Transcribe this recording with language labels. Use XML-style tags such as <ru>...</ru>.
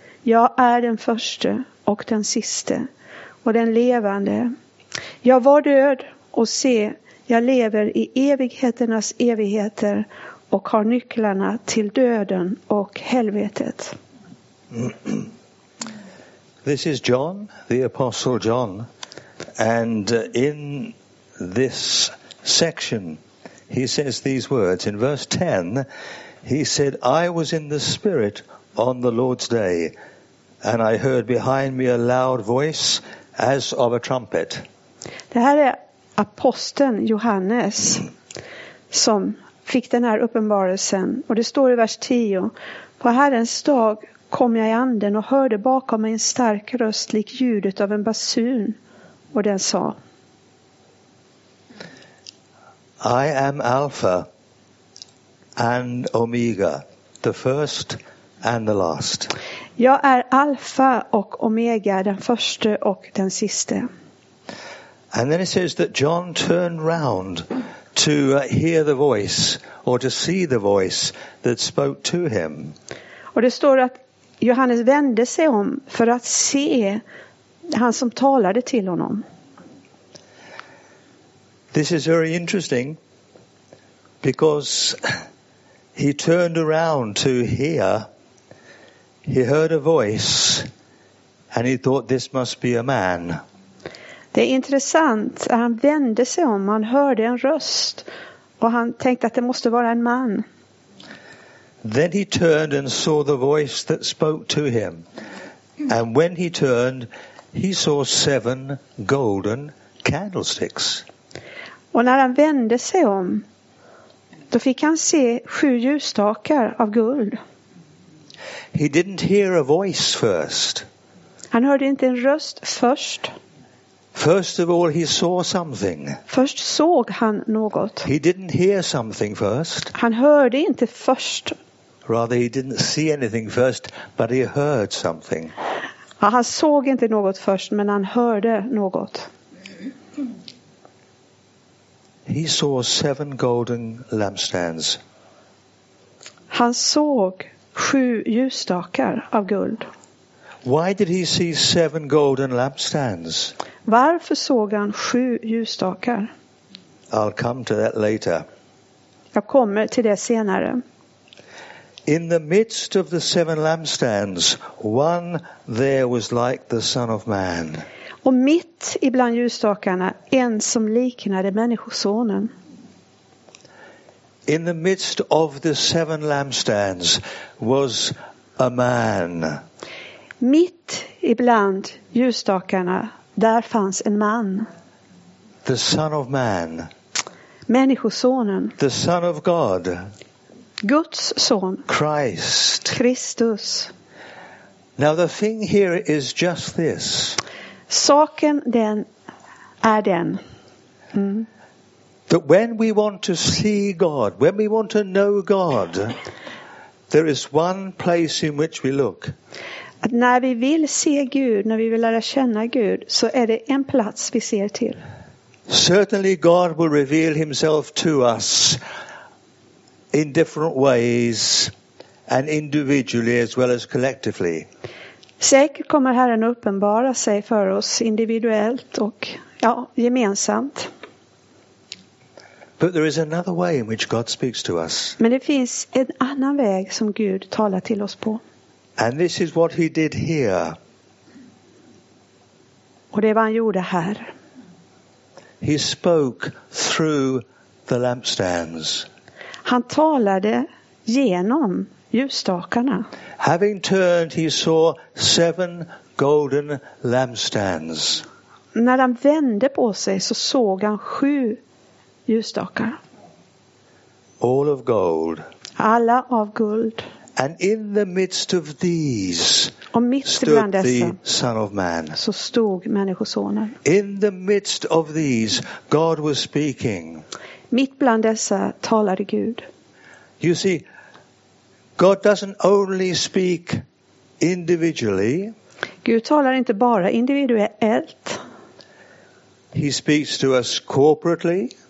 <sv>Jag är den första och den sista och den levande. Jag var död, och se, jag lever i evigheternas evigheter och har nycklarna till döden och helvetet.</sv> <en>This is John, the Apostle John, and in this section he says these words in verse 10. He said, I was in the Spirit on the Lord's day, and I heard behind me a loud voice as of a trumpet.</en> <sv>Det här är aposteln Johannes som fick den här uppenbarelsen. Och det står i vers 10. På Herrens dag kom jag i anden och hörde bakom mig en stark röst lik ljudet av en basun. Och den sa:</sv> <en>I am Alpha and Omega, the first and the last.</en> <sv>Jag är Alfa och Omega, den första och den sista.</sv> <en>And then it says that John turned round to hear the voice or to see the voice that spoke to him.</en> <sv>Och det står att Johannes vände sig om för att se han som talade till honom.</sv> <en>This is very interesting because he turned around to hear. He heard a voice and he thought this must be a man.</en> <sv>Det är intressant att han vände sig om. Han hörde en röst och han tänkte att det måste vara en man.</sv> <en>Then he turned and saw the voice that spoke to him. And when he turned, he saw seven golden candlesticks.</en> <sv>Och när han vände sig om, då fick han se sju ljusstakar av guld.</sv> <en>He didn't hear a voice first.</en> <sv>Han hörde inte en röst först.</sv> <en>First of all, he saw something.</en> <sv>Först såg han något.</sv> <en>He didn't hear something first.</en> <sv>Han hörde inte först.</sv> <en>Rather, he didn't see anything first, but he heard something.</en> <sv>Han såg inte något först, men han hörde något.</sv> <en>He saw 7 golden lampstands.</en> <sv>Han såg 7 ljusstakar av guld.</sv> <en>Why did he see 7 golden lampstands?</en> <sv>Varför såg han 7 ljusstakar?</sv> <en>I'll come to that later.</en> <sv>Jag kommer till det senare.</sv> <en>In the midst of the 7 lampstands, one there was like the Son of Man.</en> <sv>Och mitt ibland ljusstakarna, en som liknade människosonen.</sv> <en>In the midst of the 7 lampstands was a man.</en> <sv>Mitt ibland ljusstakarna, där fanns en man.</sv> <en>The Son of Man.</en> <sv>Människosonen.</sv> <en>The Son of God.</en> <sv>Guds son.</sv> <en>Christ.</en> <sv>Kristus.</sv> <en>Now the thing here is just this.</en> <sv>Saken den är den.</sv> <en>That when we want to see God, when we want to know God, there is one place in which we look.</en> <sv>Att när vi vill se Gud, när vi vill lära känna Gud, så är det en plats vi ser till.</sv> <en>Certainly God will reveal himself to us in different ways and individually as well as collectively.</en> <sv>Säkert kommer Herren uppenbara sig för oss individuellt och ja, gemensamt.</sv> <en>But there is another way in which God speaks to us.</en> <sv>Men det finns en annan väg som Gud talar till oss på.</sv> <en>And this is what he did here.</en> <sv>Och det var han gjorde här.</sv> <en>He spoke through the lampstands.</en> <sv>Han talade genom ljusstakarna.</sv> <en>Having turned, he saw 7 golden lampstands.</en> <sv>När han vände på sig så såg han 7 ljusstakar.</sv> <en>All of gold.</en> <sv>Alla av guld.</sv> <en>And in the midst of these stood the Son of Man.</en> <sv>Så stod människosonen.</sv> <en>In the midst of these, God was speaking.</en> <sv>Mitt bland dessa talade Gud.</sv> <en>You see, God doesn't only speak individually.</en> <sv>Gud talar inte bara individuellt.</sv> <en>He speaks to us corporately.</en>